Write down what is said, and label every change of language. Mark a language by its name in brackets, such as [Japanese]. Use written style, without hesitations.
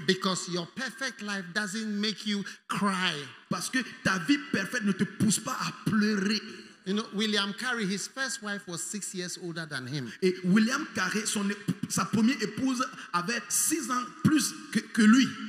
[English] Because your perfect life doesn't make you cry. [French] Parce que ta vie parfaite ne te pousse pas à pleurer. [English] You know, William Carey, his first wife was 6 years older than him. [French] Et William Carey, sa première épouse avait 6 ans plus que lui.